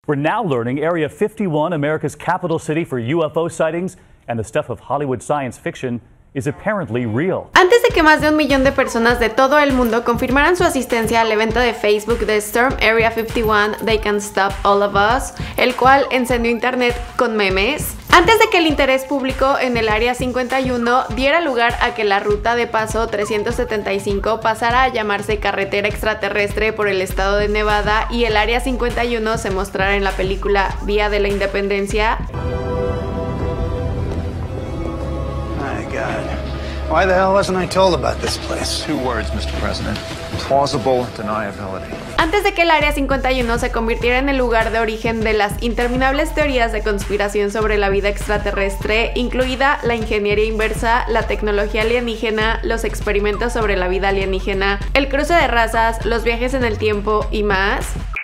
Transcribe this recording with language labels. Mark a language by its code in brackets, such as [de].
[en] We're now learning Area 51, America's capital city for UFO sightings, and the stuff of Hollywood science fiction is apparently real. [es] Antes de que más de 1 millón de personas de todo el mundo confirmaran su asistencia al evento de Facebook de Storm Area 51, They Can Stop All of Us, el cual encendió internet con memes. Antes de que el interés público en el Área 51 diera lugar a que la ruta de paso 375 pasara a llamarse carretera extraterrestre por el estado de Nevada y el Área 51 se mostrara en la película Día de la Independencia. [en] My God. Why the hell wasn't I told about this place? Two words, Mr. President. Plausible deniability. [es] Antes de que el Área 51 se convirtiera en el lugar de origen de las interminables teorías de conspiración sobre la vida extraterrestre, incluida la ingeniería inversa, la tecnología alienígena, los experimentos sobre la vida alienígena, el cruce de razas, los viajes en el tiempo y más.